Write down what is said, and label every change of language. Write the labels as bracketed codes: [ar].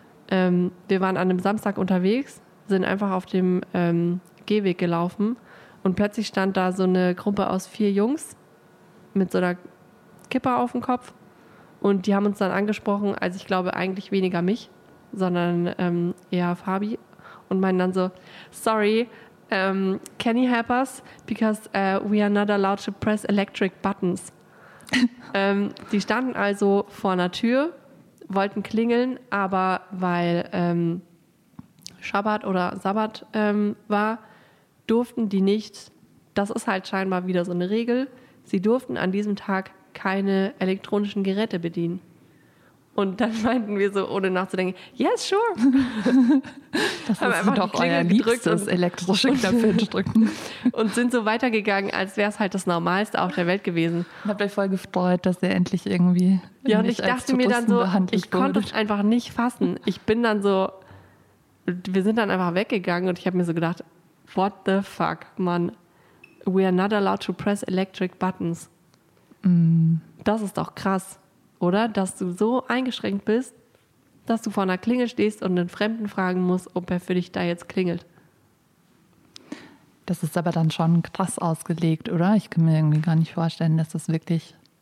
[de] Wir waren an einem Samstag unterwegs, sind einfach auf dem Gehweg gelaufen und plötzlich stand da so eine Gruppe aus 4 Jungs mit so einer Kippe auf dem Kopf und die haben uns dann angesprochen, also ich glaube eigentlich weniger mich, sondern eher Fabi. Und meinen dann so, [en] sorry, can you help us? Because we are not allowed to press electric buttons. [de] die standen also vor einer Tür, wollten klingeln, aber weil Sabbat war, durften die nicht, das ist halt scheinbar wieder so eine Regel, sie durften an diesem Tag keine elektronischen Geräte bedienen. Und dann meinten wir so, ohne nachzudenken, [en] yes, sure. [de] Das haben ist doch euer liebstes elektrische Knöpfe drücken. Und sind so weitergegangen, als wäre es halt das Normalste auf der Welt gewesen. Ich habe euch voll gefreut, dass ihr endlich irgendwie ja, und ich dachte mir dann so, ich konnte es einfach nicht fassen. Ich bin dann so, wir sind dann einfach weggegangen und ich habe mir so gedacht, [en] what the fuck, man. We are not allowed to press electric buttons. Mm. [de] Das ist doch krass. Oder dass du so eingeschränkt bist, dass du vor einer Klingel stehst und einen Fremden fragen musst, ob er für dich da jetzt klingelt. Das ist aber dann schon krass ausgelegt, oder? Ich kann mir irgendwie gar nicht vorstellen, dass das wirklich...